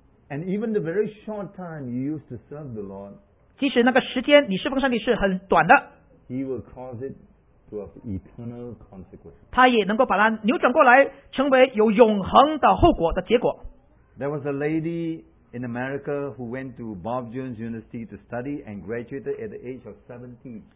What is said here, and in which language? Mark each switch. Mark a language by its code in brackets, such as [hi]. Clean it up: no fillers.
[en] And even the very short time you used to serve the Lord, [zh] 即使那个时间你侍奉上帝是很短的， [en] He will cause it to have eternal consequences. [zh] 他也能够把它扭转过来，成为有永恒的后果的结果。 [en] There was a lady in America who went to Bob Jones University to study and graduated at the age of 17.